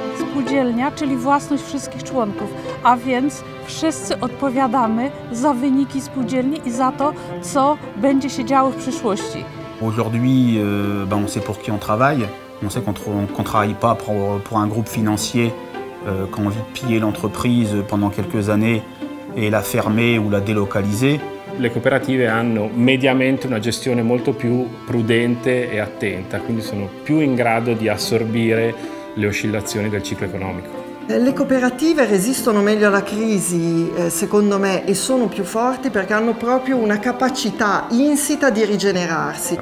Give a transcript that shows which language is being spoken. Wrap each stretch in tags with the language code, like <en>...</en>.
<pl>Spółdzielnia, czyli własność wszystkich członków, a więc wszyscy odpowiadamy za wyniki spółdzielni i za to, co będzie się działo w przyszłości.</pl> <fr>Aujourd'hui, ben on sait pour qui on travaille. On sait qu'on travaille pas pour un groupe financier qui a envie de piller l'entreprise pendant quelques années et la fermer ou la délocaliser.</fr> <it>Le cooperative hanno mediamente una gestione molto più prudente e attenta, quindi sono più in grado di assorbire le oscillazioni del ciclo economico. Le cooperative resistono meglio alla crisi, secondo me, e sono più forti perché hanno proprio una capacità insita di rigenerarsi.</it>